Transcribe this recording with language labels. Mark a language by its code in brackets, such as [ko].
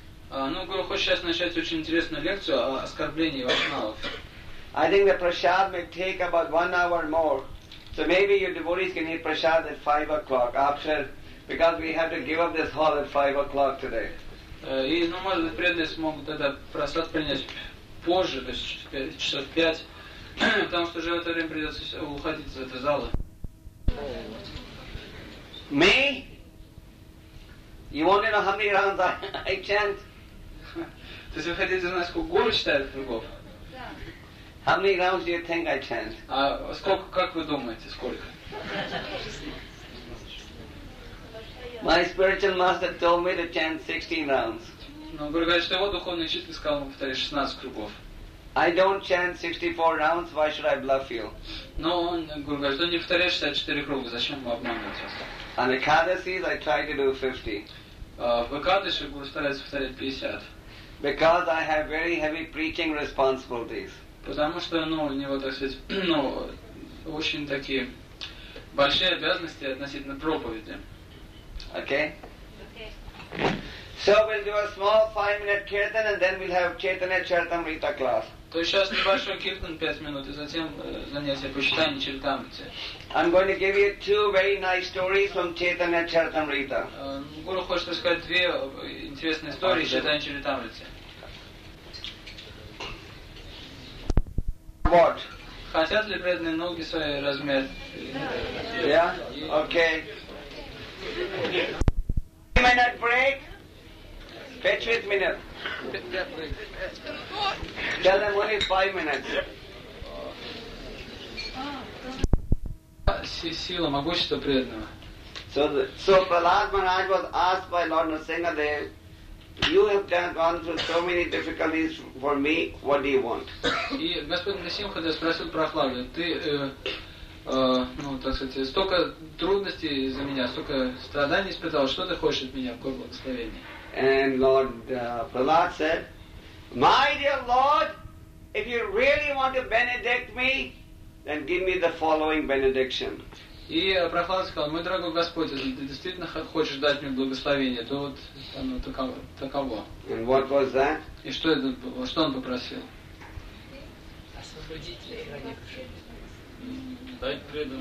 [ru] Guru хочет сейчас начать очень интересную лекцию о оскорблении вайшнавов. [en] I think the prasad may take about 1 hour more. So maybe your devotees can eat prasad at 5 o'clock after, because we have to give up this hall at 5 o'clock today. [ru] Может быть, преданные смогут тогда прасад принять позже, то есть часов 5, потому что уже в это время придется уходить из этого зала. [en] Me? You want to know how many rounds I chant? [ru] То есть вы хотите знать, сколько гуру читает кругов? [en] How many rounds do you think I chant? [ru] А сколько, как вы думаете, сколько? [en] My spiritual master told me to chant 16 rounds. [ru] Но гуру говорит, что его духовный учитель сказал, он повторяет 16 кругов. [en] I don't chant 64 rounds, why should I bluff you? [ru] Но гуру говорит, он не повторяет 64 круга, зачем ему обманывать вас? [en] On Ekadasi, I try to do 50. [ru] В Экадаси гуру старается повторять 50. [en] Because I have very heavy preaching responsibilities. [ru] Потому что, у него, так сказать, очень такие большие обязанности относительно проповеди. [en] Okay? So we'll do a small 5-minute kirtan and then we'll have Chaitanya Charitamrita class. [ru] То есть сейчас небольшой киртан 5 минут, и затем занятие по читанию Чаритамриты. [en] I'm going to give you two very nice stories from Chaitanya Charitamrita. [ru] Гуру хочет рассказать две интересные истории из читания Чаритамриты. [en] What? [ru] Хотят ли преданные ноги свои размять? [en] Yeah? Okay. 3-minute break. Wait 3 minutes. Tell them only 5 minutes. [ru] Сила, могущество преданного. [en] So Prahlad Maharaj was asked by Lord Narasingadev, you have gone through so many difficulties for me, what do you want? [ru] И Господь Нарасимха спросил Прохлада, ты, так сказать, столько трудностей за меня, столько страданий испытал, что ты хочешь от меня, какое благословение? [en] And Lord Prahlad said, My dear Lord, if you really want to benedict me, then give me the following benediction. [ru] И Прохлад сказал, мой дорогой Господь, если ты действительно хочешь дать мне благословение, то вот оно таково. [en] And what was that? [ru] И что это было? Что он попросил? Освободить или хранить?